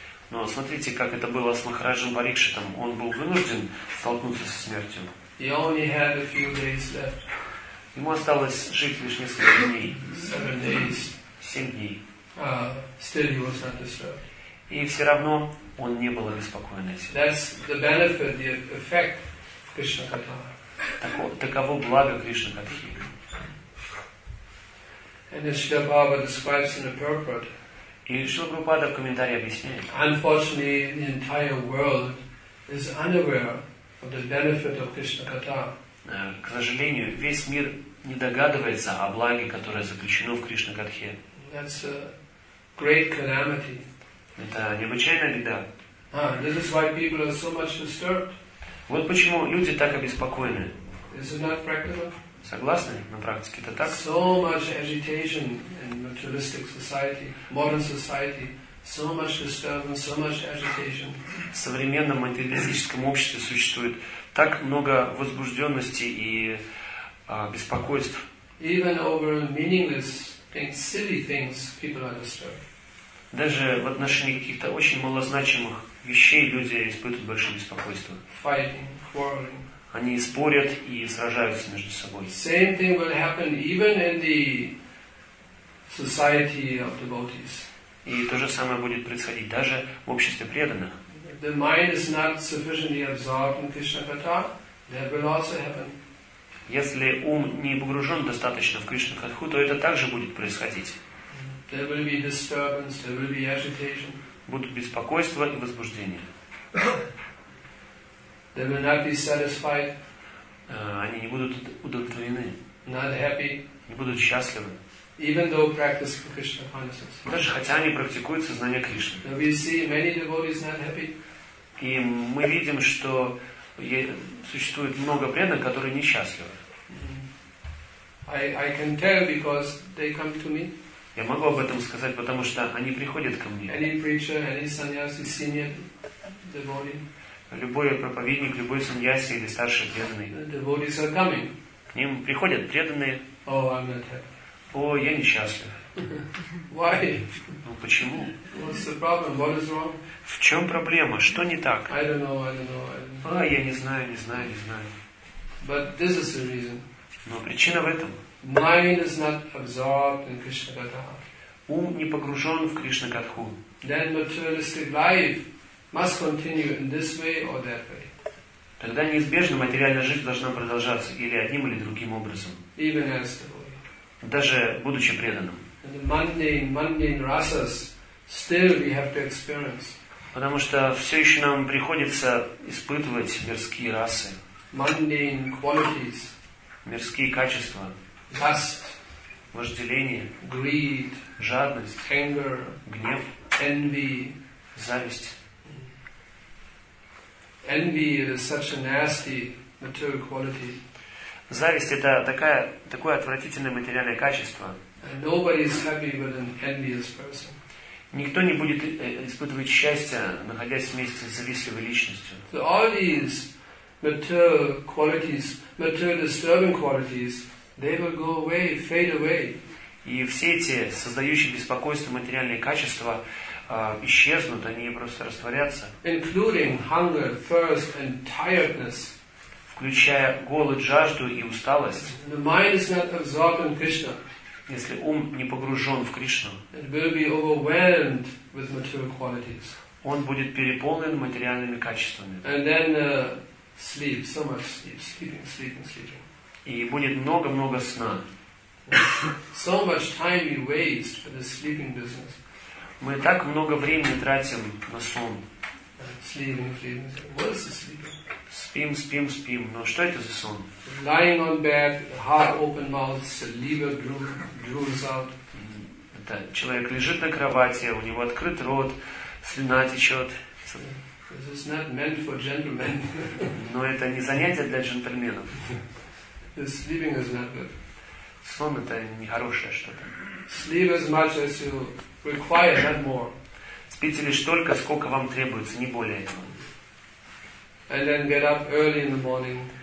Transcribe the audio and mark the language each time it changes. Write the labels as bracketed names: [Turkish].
[Russian] Но смотрите, как это было с Махараджем Парикшитом. Он был вынужден столкнуться со смертью. [English] He only had a few days left. [Russian] Ему осталось жить лишь несколько дней. [English] 7 days. [Russian] 7 дней. [English] Still he was not disturbed. [Russian] И все равно он не был обеспокоен этим. [English] That's the benefit, the effect of Krishna Katha. [Russian] Таково благо Кришна Катхи. [English] And as Śrīla Prabhupāda describes in the purport, [Russian] и Śrīla Prabhupāda в комментарии объясняет, [English] unfortunately, the entire world is unaware of the benefit of Krishna Katha. [Russian] К сожалению, весь мир не догадывается о благе, которое заключено в Кришна Катхе. [English] That's a great calamity. [Russian] Это необычайная беда. [English] This is why people are so much disturbed. [Russian] Вот почему люди так обеспокоены. [English] Is it not practical? [Russian] Согласны? На практике это так? [English] So much agitation in materialistic society, modern society, so much disturbance, so much agitation. [Russian] В современном материалистическом обществе существует так много возбужденности и беспокойств. [English] Even over meaningless things, silly things, people are disturbed. [Russian] Даже в отношении каких-то очень малозначимых вещей люди испытывают большое беспокойство. [English] Fighting, quarreling. [Russian] Они спорят и сражаются между собой. [English] Same thing will happen even in the society of devotees. [Russian] И то же самое будет происходить даже в обществе преданных. [English] The mind is not sufficiently absorbed in Krishna Katha, that will also happen. [Russian] Если ум не погружен достаточно в Кришна Катху, то это также будет происходить. [English] There will be disturbance, there will be agitation. [Russian] будут беспокойство и возбуждение. [English] They will not be satisfied. [Russian] Они не будут удовлетворены. [English] Not happy. [Russian] Не будут счастливы. [English] Even though practice for Krishna consciousness. [Russian] Даже хотя они практикуют сознание Кришны. [English] And we see many devotees not happy. [Russian] И мы видим, что существует много преданных, которые несчастливы. [English] I can tell because they come to me. [Russian] Я могу об этом сказать, потому что они приходят ко мне. [English] Any preacher, any sannyasi, senior devotee. [Russian] Любой проповедник, любой саньяси или старший преданный. [English] The devotees are coming. [Russian] К ним приходят преданные. [English] Oh, I'm not happy. [Russian] О, я несчастлив. [English] Why? [Russian] Ну почему? [English] What's the problem? What is wrong? [Russian] В чем проблема? Что не так? [English] I don't know. [Russian] А, я не знаю. [English] But this is the reason. [Russian] Но причина в этом. [English] Mind is not absorbed in Krishna Katha. [Russian] Ум не погружен в Кришна Катху. [English] Then materialistic life must continue in this way or that way. [Russian] Тогда неизбежно материальная жизнь должна продолжаться или одним или другим образом. [English] Even as the way. [Russian] Даже будучи преданным. [English] And the mundane rasas still we have to experience. [Russian] Потому что все еще нам приходится испытывать мирские расы. [English] Mundane qualities. [Russian] Мирские качества. [English] Lust. [Russian] Вожделение. [English] Greed. [Russian] Жадность. [English] Anger. [Russian] Гнев. [English] Envy. [Russian] Зависть. [English] Envy is such a nasty material quality. [Russian] Зависть — это такое отвратительное материальное качество. [English] And nobody is happy with an envious person. [Russian] Никто не будет испытывать счастья, находясь вместе с завистливой личностью. [English] So all these material qualities, material disturbing qualities, they will go away, fade away. [Russian] И все эти создающие беспокойство материальные качества исчезнут, они просто растворятся. [English] Including hunger, thirst, and tiredness. [Russian] Включая голод, жажду и усталость. [English] The mind is not absorbed in Krishna. [Russian] Если ум не погружен в Кришну, [English] it will be overwhelmed with material qualities. [Russian] Он будет переполнен материальными качествами. [English] And then sleep, so much sleep, sleeping. [Russian] И будет много сна. [English] So much time we waste for the sleeping business. [Russian] Мы так много времени тратим на сон. [English] Sleeping. What is the sleeping? [Russian] Спим. Но что это за сон? [English] Lying on bed, heart open mouth, saliva drools out. [Russian] Это человек лежит на кровати, у него открыт рот, слюна течет. [English] This is not meant for gentlemen. [Russian] Но это не занятие для джентльменов. [English] The sleeping is not good. [Russian] Сон — это нехорошее что-то. [English] Sleep as much as you require, not more. [Russian] Спите лишь только, сколько вам требуется, не более этого. [English] And then get up early in the morning.